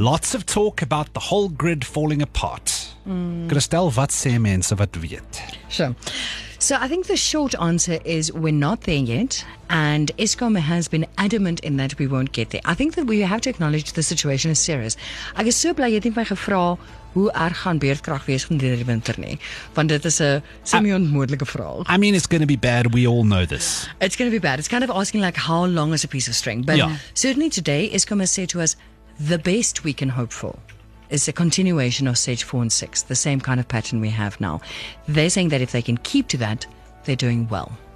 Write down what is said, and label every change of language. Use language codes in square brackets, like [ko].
[en] Lots of talk about the whole grid falling apart. [af] Christel, wat sê mense wat weet? [en] Sure. So I think the short answer is we're not there yet, and Eskom has been adamant in that we won't get there. I think that we have to acknowledge the situation is serious. [af] Ek is so bly jy het nie my gevra hoe erg gaan beurtkrag wees van die winter nie, want dit is 'n semi-onmoontlike vraag. [en] I mean, it's going to be bad. We all know this. It's going to be bad. It's kind of asking like how long is a piece of string, but yeah. Certainly today Eskom has said to us the best we can hope for is a continuation of stage 4 and 6, the same kind of pattern we have now. They're saying that if they can keep to that, they're doing well.